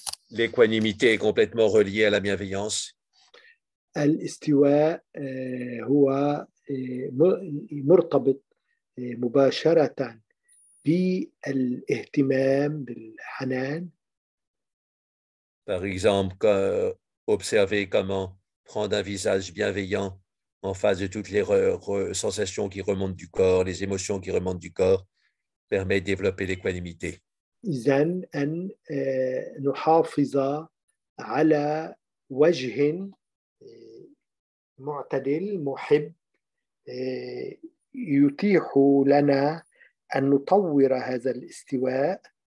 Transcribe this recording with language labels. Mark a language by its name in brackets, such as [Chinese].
[French] L'équanimité est complètement reliée à la bienveillance. [Arabic] الاستواء هو مرتبط مباشرة بالاهتمام بالحنان. [French] Par exemple, observer comment prendre un visage bienveillant en face de toutes les sensations qui remontent du corps, les émotions qui remontent du corps, permet de développer l'équanimité. [Arabic] إذن أن نحافظ على وجه معتدل محب يتيح لنا أن نطور هذا الاستواء.